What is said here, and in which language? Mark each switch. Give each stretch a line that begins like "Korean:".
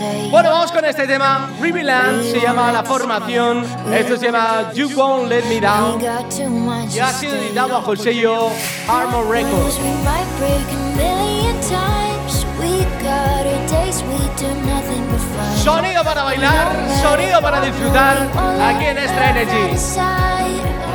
Spanish: Bueno, vamos con este tema. Rivaland se llama La Formación. Esto se llama You Won't Let Me Down. Y ha sido editado bajo el sello Armor Records.
English: We might break a million times. We got our days, we do nothing but fight.
Spanish: Sonido para bailar, sonido para disfrutar aquí en Extra Energy.